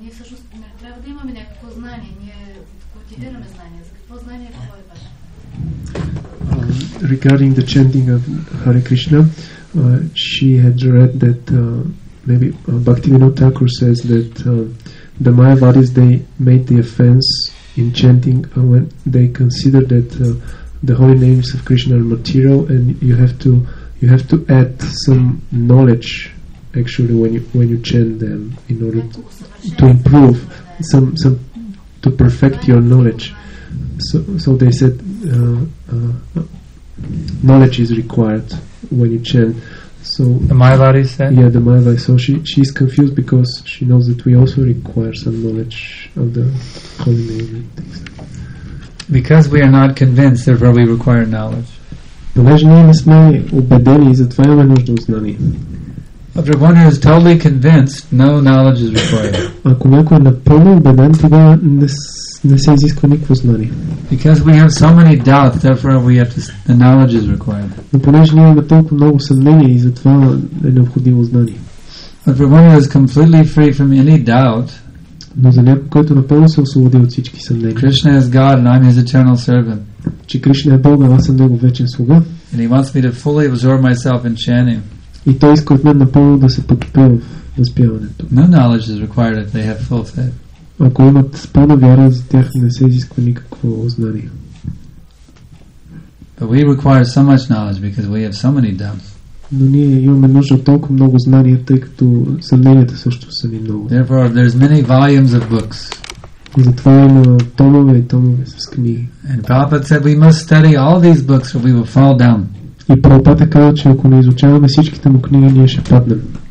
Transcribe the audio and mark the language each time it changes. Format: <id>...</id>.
<bg>Ние трябва да имаме някакво знание, ние култивираме знание. За какво знание, какво е ваше?</bg> <en>regarding the chanting of Hare Krishna, she had read that maybe Bhaktivinoda Thakur says that the Mayavadis, they made the offense in chanting when they consider that the holy names of Krishna are material, and you have to add some knowledge actually when you chant them in order to improve some to perfect your knowledge. So they said knowledge is required when you chant. So the Mayavadi said, yeah, the Mayavadi. So she's confused because she knows that we also require some knowledge of the holy name and things. Because we are not convinced, therefore we require knowledge.</en> <bg>Понеже ние не сме убедени, затова имаме нужда от знание.</bg> <en>After one who is totally convinced, no knowledge is required.</en> <bg>Ако някой е напълно убеден, тогава не се изисква никакво знание.</bg> <en>Because we have so many doubts, therefore we have to, the knowledge is required.</en> <bg>Но понеже ние имаме толкова много съмнения и затова е необходимо знание.</bg> <en>After one who is completely free from any doubt,</en> <bg>но за някой, който напълно се освободи от всички съмнения.</bg> <en>Krishna is God and I'm his eternal servant.</en> <bg>Че Кришна е Бог, аз съм Негов вечен слуга.</bg> <en>And he wants me to fully absorb myself in chanting.</en> <bg>И той иска от мен напълно да се потопя в възпяването.</bg> <en>No knowledge is required if they have full faith.</en> <bg>Ако имат пълна вяра, за тях не се изисква никакво знание.</bg> <en>But we require so much knowledge because we have so many doubts.</en> <bg>Но ние имаме нужда от толкова много знания, тъй като съмненията също са ни много.</bg> <en>Therefore, there's many volumes of books.</en> <bg>И затова има томове и томове с книги.</bg> <en>And Prabhupada said we must study all these books or we will fall down.</en> <bg>И Прабхупада каза, че ако не изучаваме всичките му книги, ние ще паднем.</bg>